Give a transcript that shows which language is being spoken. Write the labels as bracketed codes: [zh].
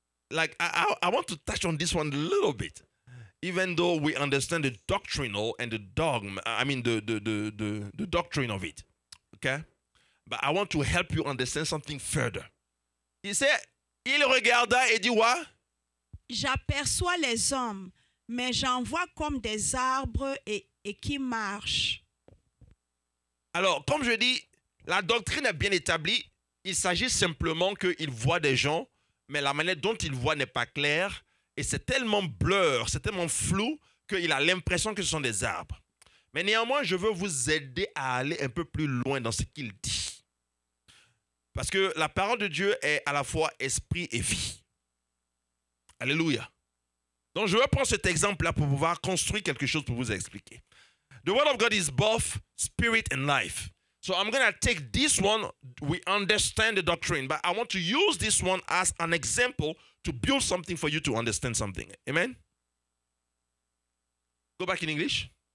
[en] Like, I want to touch on this one a little bit. Even though we understand the doctrinal and the dogma, I mean the doctrine of it, okay? But I want to help you understand something further. He said, [fr] il regarda et dit quoi? J'aperçois les hommes, mais j'en vois comme des arbres et qui marchent. Alors, comme je dis, la doctrine est bien établie. Il s'agit simplement qu'il voit des gens, mais la manière dont il voit n'est pas claire. Et c'est tellement blur, c'est tellement flou qu'il a l'impression que ce sont des arbres. Mais néanmoins, je veux vous aider à aller un peu plus loin dans ce qu'il dit. Parce que la parole de Dieu est à la fois esprit et vie. Alléluia. Donc je veux prendre cet exemple-là pour pouvoir construire quelque chose pour vous expliquer. [en] The word of God is both spirit and life. So I'm going to take this one. We understand the doctrine, but I want to use this one as an example to build something for you to understand something. Amen? Go back in English.